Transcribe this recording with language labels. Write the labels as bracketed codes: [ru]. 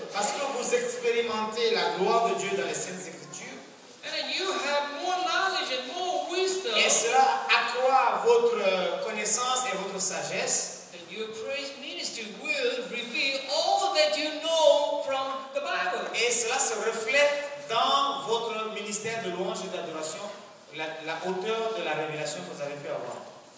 [fr] Parce que vous expérimentez la gloire de Dieu dans les Saintes Écritures. [en] And you have more knowledge and more wisdom. [fr] Et cela accroît votre connaissance et votre sagesse. [en] And your praise ministry will reveal all that you know from the Bible. [fr] Et cela se reflète dans votre ministère de louange et d'adoration, la hauteur de la révélation que vous avez pu avoir.